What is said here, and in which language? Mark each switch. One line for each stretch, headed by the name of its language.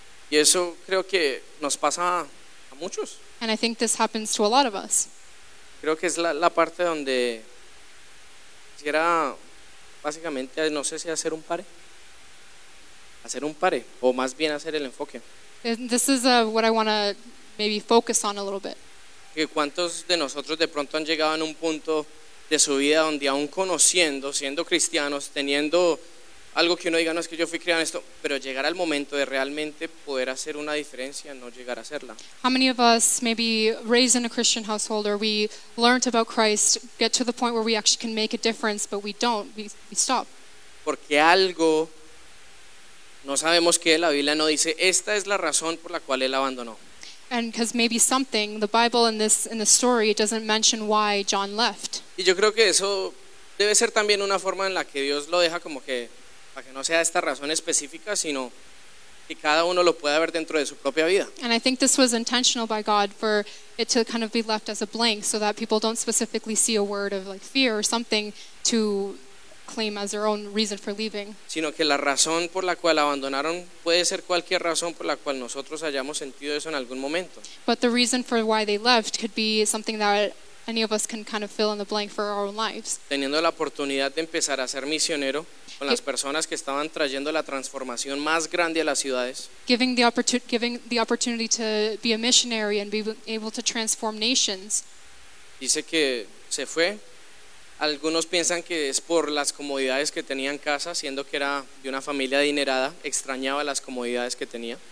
Spanish: Y eso creo que nos pasa a muchos.
English: And I think this happens to a lot of us.
Spanish: Creo que es la parte donde quisiera básicamente, no sé si hacer un pare. Hacer un pare, o más bien hacer el enfoque.
English: This is what I want to maybe focus on a little bit.
Spanish: Que cuántos de nosotros de pronto han llegado en un punto de su vida donde aún conociendo, siendo cristianos, teniendo algo que uno diga, no es que yo fui criado en esto, pero llegar al momento de realmente poder hacer una diferencia, no llegar a hacerla.
English: How many of us maybe raised in a Christian household or we learned about Christ, get to the point where we actually can make a difference, but we don't, we stop.
Spanish: Porque algo, no sabemos qué, la Biblia no dice, esta es la razón por la cual él abandonó.
English: And because maybe something, the Bible in the story, it doesn't mention why John left.
Spanish: Y yo creo que eso debe ser también una forma en la que Dios lo deja como que, para que no sea esta razón específica, sino que cada uno lo pueda ver dentro de su propia vida.
English: And I think this was intentional by God for it to kind of be left as a blank so that people don't specifically see a word of like fear or something to claim as their own reason for leaving.
Spanish: Sino que la razón por la cual abandonaron puede ser cualquier razón por la cual nosotros hayamos sentido eso en algún momento.
English: But the reason for why they left could be something that any of us can kind of fill in the blank for our own lives.
Spanish: Teniendo la oportunidad de empezar a ser misionero con las personas que estaban trayendo la transformación más grande a las ciudades.
English: Giving the opportunity to be a missionary and be able to transform nations.
Spanish: Dice que se fue. Algunos piensan que es por las comodidades que tenía en casa, siendo que era de una familia adinerada, extrañaba las comodidades que tenía.